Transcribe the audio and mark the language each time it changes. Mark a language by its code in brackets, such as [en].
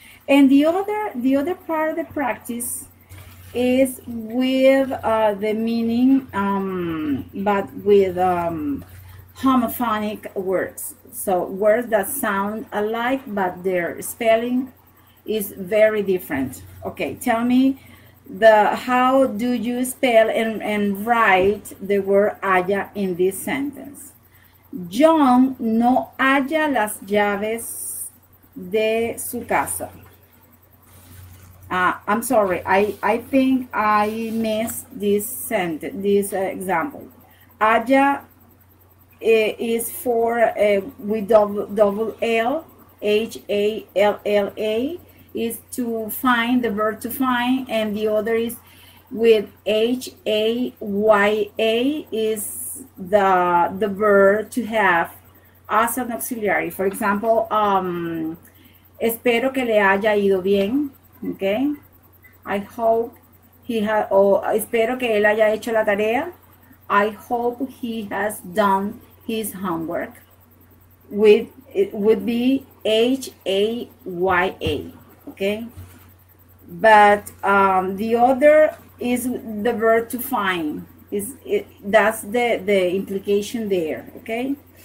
[en] And the other part of the practice is with the meaning, but with homophonic words. So words that sound alike, but their spelling is very different. Okay, tell me how do you spell and write the word haya in this sentence? [es] John no haya las llaves de su casa. [en] I'm sorry, I think I missed this sentence, this example. Haya is for with double L, H-A-L-L-A, is to find, the verb to find, and the other is with H-A-Y-A is the verb to have as an auxiliary. For example, [es] espero que le haya ido bien, okay? [en] I hope he has, [es] espero que él haya hecho la tarea. [en] I hope he has done his homework. With, it would be H-A-Y-A, okay? But the other is the verb to find. Is it, that's the implication there, okay?